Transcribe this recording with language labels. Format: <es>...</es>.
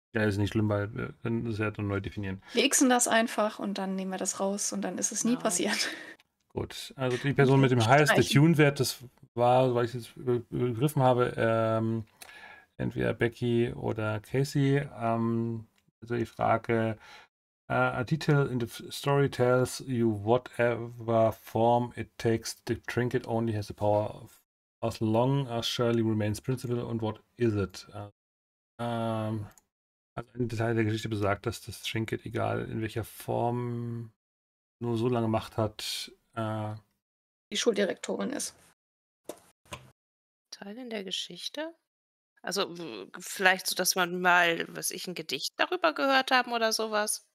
<de>Ja, ist nicht schlimm, weil wir können das ja dann neu definieren. Wir xen das einfach und dann nehmen wir das raus und dann ist es nie passiert. Gut, also die Person mit dem</de> <en>highest</en> <de>Attune-Wert, das war, weil ich es jetzt begriffen habe, entweder Becky oder Casey. Also die Frage.</de> <en>A detail in the story tells you whatever form it takes, the trinket only has the power of as long as Shirley remains principal, and what is it?</en> <de>Also ein Detail der Geschichte besagt, dass das Trinket, egal in welcher Form, nur so lange Macht hat, die Schuldirektorin ist. Teil in der Geschichte? Also vielleicht so, dass man mal, was ich, ein Gedicht darüber gehört haben oder sowas?</de>